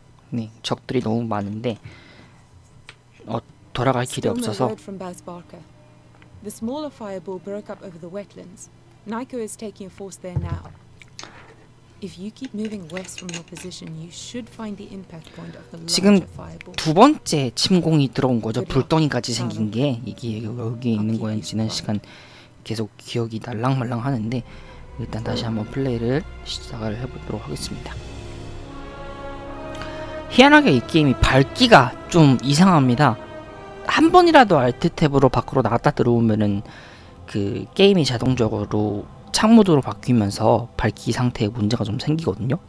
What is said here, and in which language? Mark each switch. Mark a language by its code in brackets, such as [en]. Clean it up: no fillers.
[ko] 네, 적들이 너무 많은데 돌아갈 길이 없어서. [en] The smaller fireball broke up over the wetlands. Nyko is taking a force there now. If you keep moving west from your position, you should find the impact point of the larger fireball. [ko] 지금 두 번째 침공이 들어온 거죠. 불덩이까지 생긴 게 이게 여기 있는 거는 지난 시간 계속 기억이 날랑말랑하는데 일단 다시 한번 플레이를 시작을 해보도록 하겠습니다. 희한하게 이 게임이 밝기가 좀 이상합니다. 한 번이라도 알트 탭으로 밖으로 나갔다 들어오면은 그 게임이 자동적으로 창모드로 바뀌면서 밝기 상태에 문제가 좀 생기거든요.